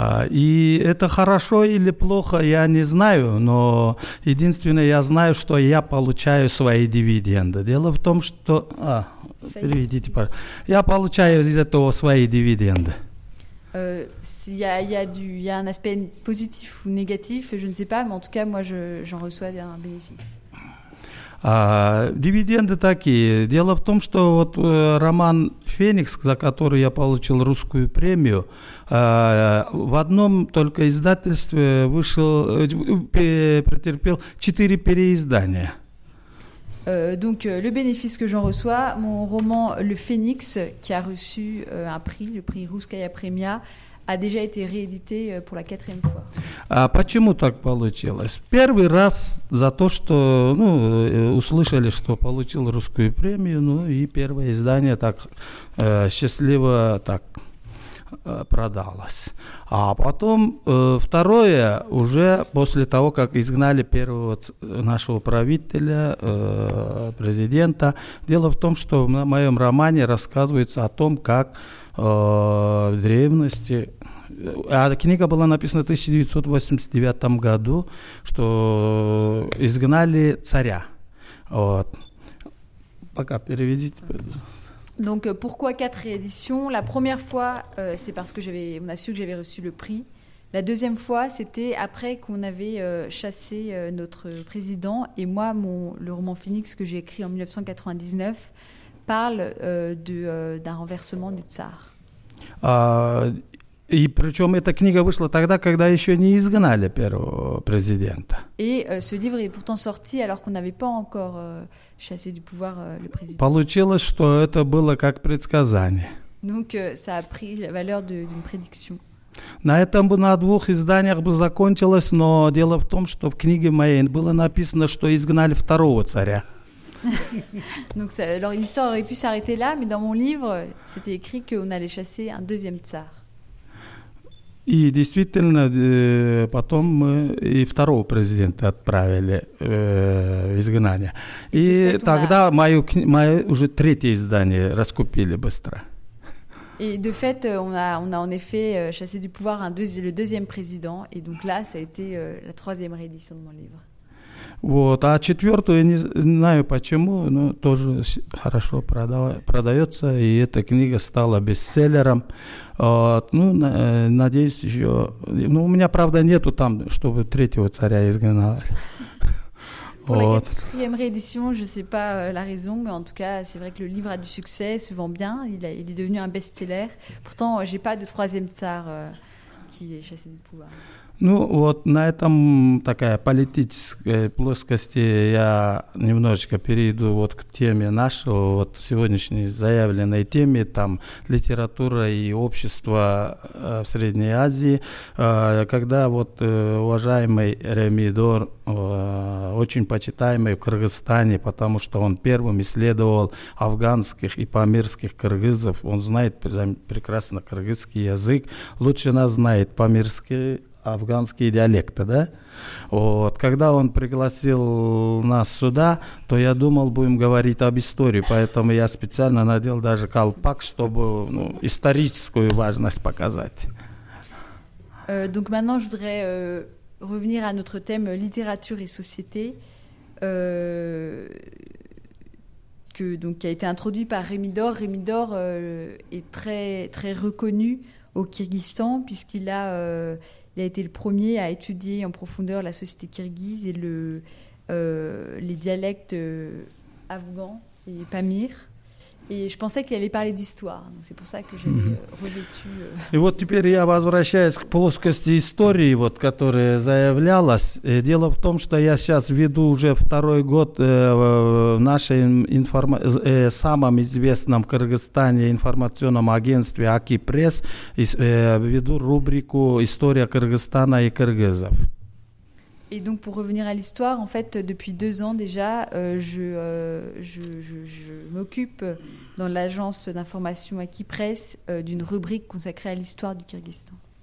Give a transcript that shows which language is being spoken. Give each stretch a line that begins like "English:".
Russian: И это хорошо или плохо, я не знаю, но единственное, я знаю, что я получаю свои дивиденды. Дело в том, что... переведите, пожалуйста. Я получаю из этого свои дивиденды.
French: Il y a un aspect positif ou négatif, je ne sais pas, mais en tout cas, moi, j'en reçois un bénéfice.
Russian: Дивиденды такие. Дело в том, что вот роман «Феникс», за который я получил русскую премию, в одном только издательстве вышел, претерпел 4 переиздания.
French: Donc le bénéfice que j'en reçois, mon roman «Le Phénix», qui a reçu un prix, le prix «Русская премия», a déjà été réédité pour la quatrième fois.
Russian: Почему так получилось? Первый раз за то, что услышали, что получил русскую премию, и первое издание так счастливо так продалось. А потом второе уже после того, как изгнали первого нашего правителя, президента. Дело в том, что в моем романе рассказывается о том, как в древности... Книга была написана в 1989 году, что изгнали царя. Вот. Пока переведите.
French: Donc pourquoi quatre rééditions? La première fois, c'est parce que on a su que j'avais reçu le prix. La deuxième fois, c'était après qu'on avait chassé notre président. Et moi, le roman Phoenix que j'ai écrit en 1999 parle d'un renversement du tsar.
Russian: И причем эта книга вышла тогда, когда еще не изгнали первого президента.
French: И ce livre est pourtant sorti alors qu'on n'avait pas encore chassé du pouvoir le président.
Russian: Получилось, что это было как предсказание.
French: Donc ça a pris la valeur d'une prédiction.
Russian: На этом бы на двух изданиях бы закончилось, но дело в том, что в книге моей было написано, что изгнали второго царя.
French: Donc ça, alors l'histoire aurait pu s'arrêter là, mais dans mon livre, c'était écrit qu'on allait chasser un deuxième tsar.
Russian: И действительно, потом мы и второго президента отправили в изгнание. И тогда мое уже третье издание раскупили быстро.
French: И de fait, on a en effet chassé du pouvoir le deuxième président. Et donc là, ça a été la troisième réédition de mon livre.
Russian: Вот, а четвертую, я не знаю почему, но тоже хорошо продается, и эта книга стала бестселлером. Вот, ну, надеюсь, еще... Ну, у меня, правда, нету там, чтобы третьего царя изгнали.
French: Pour la quatrième réédition, je ne sais pas la raison, mais en tout cas, c'est vrai que le livre a du succès, se vend bien, il est devenu un best-seller. Pourtant, je n'ai pas de troisième tsar qui est chassé du pouvoir.
Russian: Ну вот на этом такая политической плоскости я немножечко перейду вот к теме нашего, вот сегодняшней заявленной теме, там литература и общество в Средней Азии. Когда вот уважаемый Ремидор, очень почитаемый в Кыргызстане, потому что он первым исследовал афганских и памирских кыргызов, он знает прекрасно кыргызский язык, лучше нас знает памирский афганские диалекты, да? Вот. Когда он пригласил нас сюда, то я думал, будем говорить об истории, поэтому я специально надел даже колпак, чтобы ну, историческую важность показать.
French: Donc maintenant, je voudrais revenir à notre thème littérature et société, qui a été introduit par Ремидор. Ремидор est très, très reconnu au Kyrgyzstan, puisqu'il a... Il a été le premier à étudier en profondeur la société kirghize et les dialectes afghans et pamirs. Et je pensais qu'il allait parler d'histoire. Donc c'est pour ça que j'ai revêtu...
Russian: Et вот теперь я возвращаюсь к плоскости истории, вот, которая заявлялась. Дело в том, что я сейчас веду уже второй год в нашем самом известном в Кыргызстане информационном агентстве АКИ-пресс, веду рубрику «История Кыргызстана и кыргызов».
French: Et donc, pour revenir à l'histoire, en fait, depuis deux ans déjà, je m'occupe dans l'agence d'information AKIPRESS d'une rubrique consacrée à l'histoire du Kyrgyzstan.